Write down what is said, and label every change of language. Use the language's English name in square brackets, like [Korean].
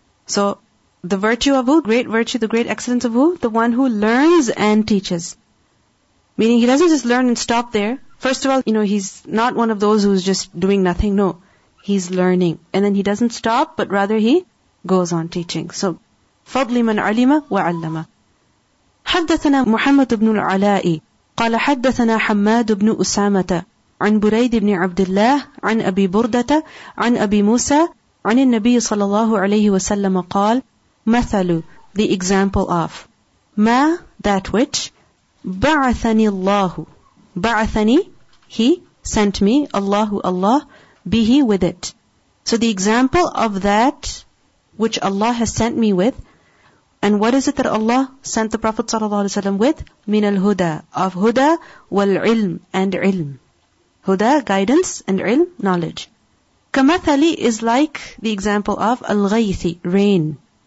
[English] So, the virtue of who, great virtue, the great excellence of who, the one who learns and teaches. Meaning he doesn't just learn and stop there. First of all, you know, he's not one of those who's just doing nothing, no. He's learning. And then he doesn't stop, but rather he goes on teaching. [Arabic] So, fadli man alima wa allama. حدثنا محمد بن العلاء قال حدثنا حماد بن أسامة عن بريد بن عبد الله عن أبي بردة عن أبي موسى عن النبي صلى الله عليه وسلم قال مثل [English] the example of [Arabic] ما [English] that which [Arabic] بعثني الله بعثني [English] he sent me [Arabic] الله الله به [English] with it. So the example of that which Allah has sent me with. And what is it that Allah sent the Prophet ﷺ with? Min al-huda, of huda wal-ilm, and ilm. Huda, guidance, and ilm, knowledge. Kamathali is like the example of al-ghaythi, rain.